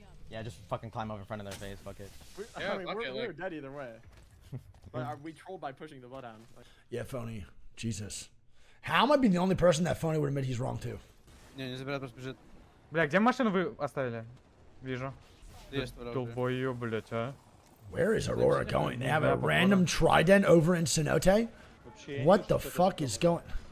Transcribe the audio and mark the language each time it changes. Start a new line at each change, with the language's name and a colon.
English: Yeah, just fucking climb over in front of their face. Fuck it. We're dead either way. But are we trolled by pushing the blood down? Like, yeah, Phony. Jesus. How am I being the only person that Phony would admit he's wrong to?
Russian: Не, не забирай, просто бежит. Бля, где машину вы оставили? Вижу. Тупое, блядь, а?
English: Where is Aurora going? They have a random trident over in Cenote? What the fuck is going?